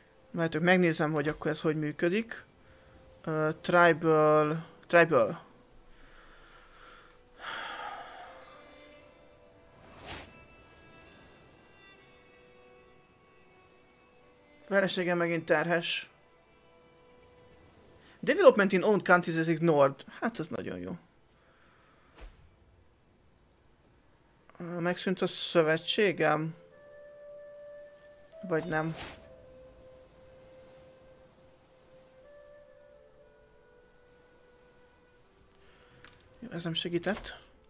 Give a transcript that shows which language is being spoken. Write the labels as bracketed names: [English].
[Hungarian] Mert megnézem, hogy akkor ez hogy működik. Tribal. Feleségem megint terhes. [English] Development in owned countries is ignored. [Hungarian] Hát ez nagyon jó. Megszűnt a szövetségem? Vagy nem? Jó, ez nem segített.